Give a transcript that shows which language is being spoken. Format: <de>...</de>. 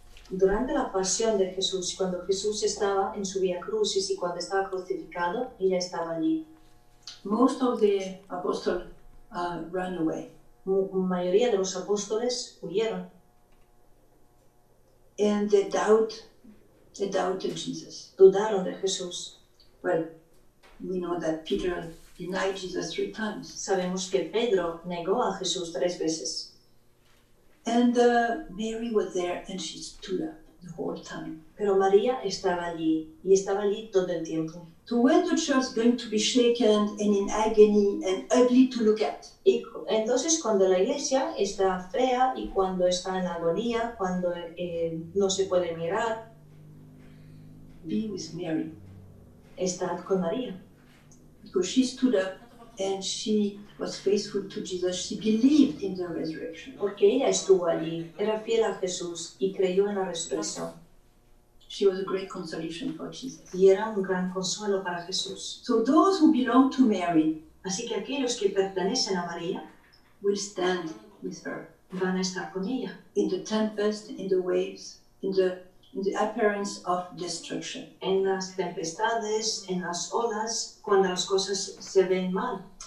<es>Durante la pasión de Jesús, cuando Jesús estaba en su vía crucis y cuando estaba crucificado, ella estaba allí.</es> <en>Most of the apostles ran away.</en> <es>Mayoría de los apóstoles huyeron.</es> <en>And they doubted Jesus.</en> <es>Dudaron de Jesús.</es> <en>Well, we know that Peter denied Jesus 3 times.</en> <es>Sabemos que Pedro negó a Jesús 3 veces.</es> <en>And Mary was there, and she stood up the whole time.</en> <es>Pero María estaba allí, y estaba allí todo el tiempo.</es> <en>So when the church is going to be shaken and in agony and ugly to look at?</en> <es>Y entonces cuando la iglesia está fea y cuando está en agonía, cuando no se puede mirar.</es> <en>Be with Mary.</en> <es>Estad con María.</es> <en>Because she stood up. And she was faithful to Jesus. She believed in the resurrection.</en> <es>Porque ella estuvo allí, era fiel a Jesús y creyó en la resurrección.</es> <en>She was a great consolation for Jesus.</en> <es>Y era un gran consuelo para Jesús.</es> <en>So those who belong to Mary,</en> <es>así que aquellos que pertenecen a María,</es> <en>will stand with her.</en> <es>Van a estar con ella.</es> <en>In the tempest, in the waves, in the appearance of destruction.</en> <es>En las tempestades, en las olas, cuando las cosas se ven mal.</es>